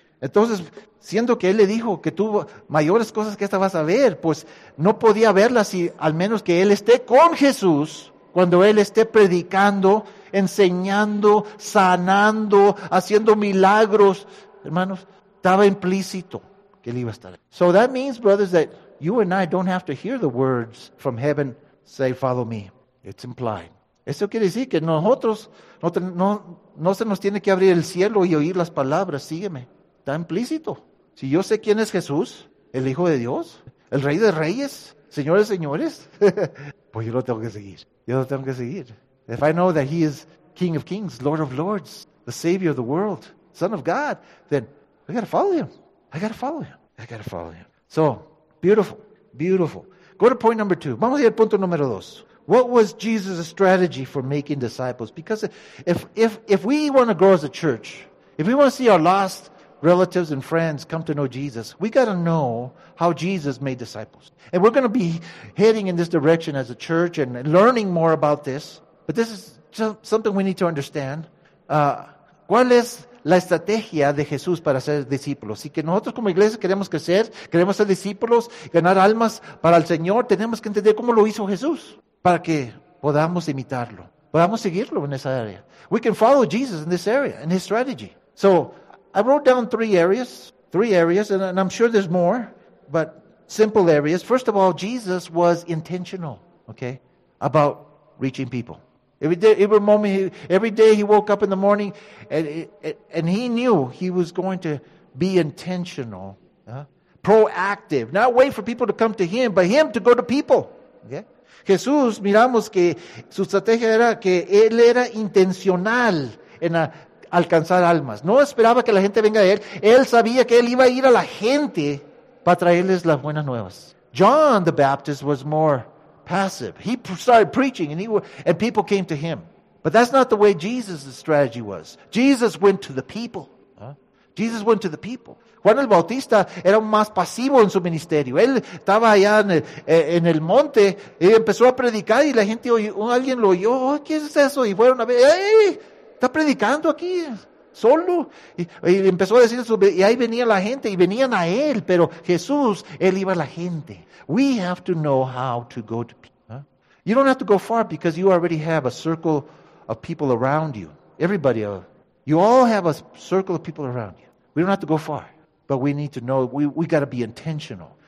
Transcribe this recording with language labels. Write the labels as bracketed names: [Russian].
[Spanish] Entonces, siendo que él le dijo que tú mayores cosas que esta vas a ver, pues no podía verlas si al menos que él esté con Jesús cuando él esté predicando, enseñando, sanando, haciendo milagros. Hermanos, estaba implícito que él iba a estar. [English] So that means, brothers, that you and I don't have to hear the words from heaven say, follow me. It's implied. [Spanish] Eso quiere decir que nosotros no se nos tiene que abrir el cielo y oír las palabras, sígueme. Está implícito. Si yo sé quién es Jesús, el Hijo de Dios, el Rey de Reyes, señores, señores, pues yo lo tengo que seguir. Yo lo tengo que seguir. [English] If I know that he is King of Kings, Lord of Lords, the Savior of the world, Son of God, then I got to follow him. I got to follow him. I got to follow him. So, beautiful, beautiful. Go to point number two. [Spanish] Vamos a ir al punto número dos. [English] What was Jesus' strategy for making disciples? Because if we want to grow as a church, if we want to see our lost relatives and friends come to know Jesus, we got to know how Jesus made disciples. And we're going to be heading in this direction as a church and learning more about this. But this is something we need to understand. [Spanish] ¿Cuál es la estrategia de Jesús para ser discípulos. Y que nosotros como iglesia queremos crecer, queremos ser discípulos, ganar almas para el Señor, tenemos que entender cómo lo hizo Jesús para que podamos imitarlo, podamos seguirlo en esa área. [English] We can follow Jesus in this area, in his strategy. So, I wrote down three areas, and I'm sure there's more, but simple areas. First of all, Jesus was intentional, okay, about reaching people. Every day he woke up in the morning, and he knew he was going to be intentional, proactive. Not wait for people to come to him, but him to go to people. Okay? [Spanish] Jesús, miramos que su estrategia era que él era intencional en alcanzar almas. No esperaba que la gente venga a él. Él sabía que él iba a ir a la gente para traerles las buenas nuevas. [English] John the Baptist was more passive. He started preaching and people came to him. But that's not the way Jesus' strategy was. Jesus went to the people. Jesus went to the people. [Spanish] Juan el Bautista era más pasivo en su ministerio. Él estaba allá en el monte y empezó a predicar y la gente oyó, alguien lo oyó. Oh, ¿qué es eso? Y fueron a ver. ¡Hey! ¿Está predicando aquí? ¿Solo? Y empezó a decir eso. Y ahí venía la gente y venían a él. Pero Jesús, él iba a la gente. [English] We have to know how to go to people. You don't have to go far because you already have a circle of people around you. Everybody, you all have a circle of people around you. We don't have to go far, but we need to know. We got to be intentional.